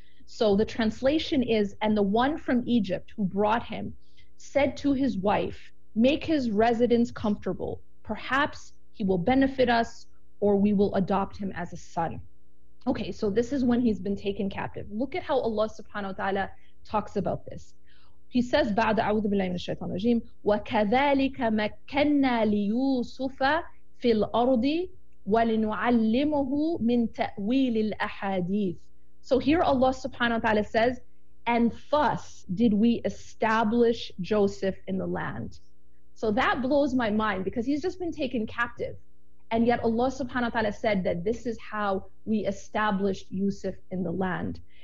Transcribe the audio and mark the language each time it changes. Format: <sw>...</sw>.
<en>So the translation is, and the one from Egypt who brought him said to his wife, make his residence comfortable. Perhaps he will benefit us, or we will adopt him as a son. Okay, so this is when he's been taken captive. Look at how Allah subhanahu wa ta'ala talks about this. He says,</en> <ar>بعد أعوذ بالله من الشيطان الرجيم وكذلك مكنا ليوسف في الأرض ولنعلمه من تأويل الأحاديث.</ar> <en>So here Allah subhanahu wa ta'ala says, and thus did we establish Joseph in the land. So that blows my mind, because he's just been taken captive. And yet Allah subhanahu wa ta'ala said that this is how we established Yusuf in the land.</en>